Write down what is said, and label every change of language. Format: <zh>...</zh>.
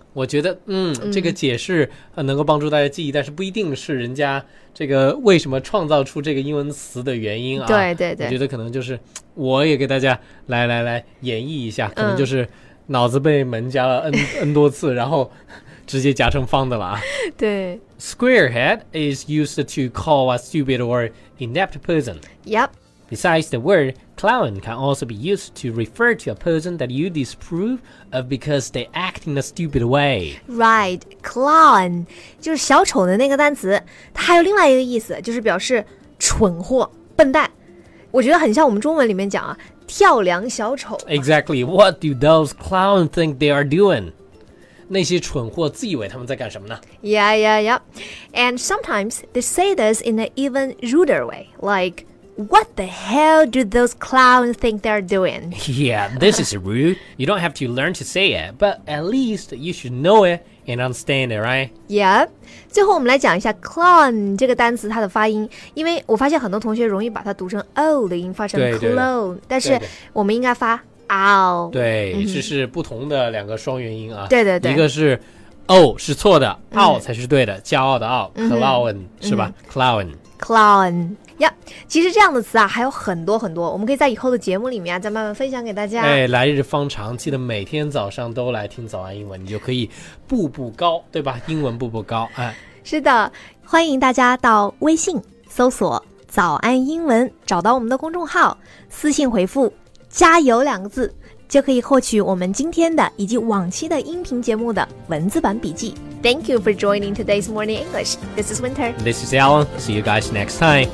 <zh>我觉得，这个解释能够帮助大家记忆，但是不一定是人家这个为什么创造出这个英文词的原因啊。对，我觉得可能就是我也给大家来演绎一下，可能就是脑子被门夹了 n 多次，然后。直接夹成方的了啊。对。</zh> <en>Squarehead is used to call a stupid or inept person. Yep. Besides the word, clown can also be used to refer to a person that you disapprove of because they act in a stupid way.</en> <zh>Right, clown, 就是小丑的那个单词，它还有另外一个意思，就是表示蠢货、笨蛋。我觉得很像我们中文里面讲啊，跳梁小丑。</zh> <en>Exactly, what do those clowns think they are doing?</en> <zh>那些蠢货自以为他们在干什么呢</zh> <en>Yeah. And sometimes they say this in an even ruder way, like, what the hell do those clowns think they're doing? Yeah, this is rude. You don't have to learn to say it, but at least you should know it. And understand it, right? Yeah.</en> <zh>最后我们来讲一下 clown 这个单词它的发音，因为我发现很多同学容易把它读成 o 的音，发成 clone， 但是我们应该发 ow。对，这是不同的两个双元音啊。对对对，一个是 o 是错的 ，ow 才是对的，骄傲的 ow， clown 是吧 ？clown。 clown。呀、yeah, 其实这样的词啊还有很多很多，我们可以在以后的节目里面、啊、再慢慢分享给大家。哎，来日方长，记得每天早上都来听早安英文，你就可以步步高，对吧？英文步步高、哎、是的，欢迎大家到微信搜索早安英文，找到我们的公众号，私信回复加油两个字，就可以获取我们今天的以及往期的音频节目的文字版笔记。</zh> <en>Thank you for joining today's Morning English. This is Winter. This is Alan. See you guys next time.</en>